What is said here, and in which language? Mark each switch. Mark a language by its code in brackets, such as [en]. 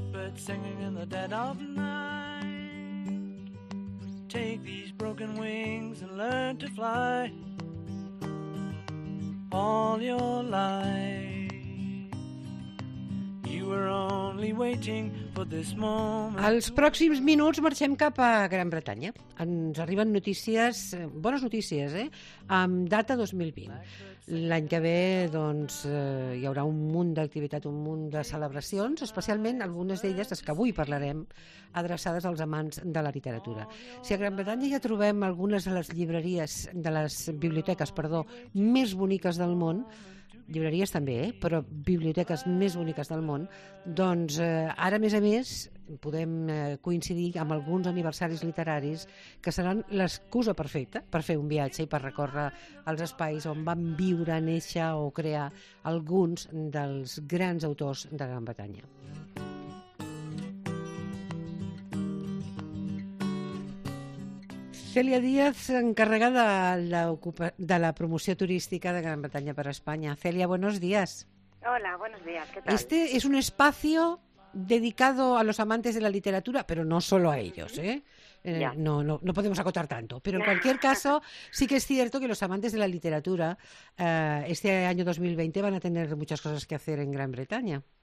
[en] started singing in the dead of night. Take these broken wings and learn to fly all your life. You were only waiting for this moment. [ca] Els pròxims minuts marxem cap a Gran Bretanya. Ens arriben notícies, bones notícies, amb data 2020. L'any que ve, doncs, hi haurà un munt d'activitat, un munt de celebracions, especialment algunes d'elles, les que avui parlarem, adreçades als amants de la literatura. Si a Gran Bretanya ja trobem algunes de les llibreries, de les biblioteques, perdó, més boniques del món, llibreries també, però biblioteques més boniques del món, doncs ara, a més, podem coincidir amb alguns aniversaris literaris que seran l'excusa perfecta per fer un viatge i per recórrer els espais on van viure, néixer o crear alguns dels grans autors de Gran Bretanya. Celia Díaz, encarregada de la promoció turística de Gran Bretanya per Espanya. [es] Celia, buenos días. Hola, buenos días, ¿qué tal? Este es un espacio dedicado a los amantes de la literatura, pero no solo a ellos, ¿eh? No podemos acotar tanto. Pero en cualquier caso, sí que es cierto que los amantes de la literatura este año 2020 van a tener muchas cosas que hacer en Gran Bretaña.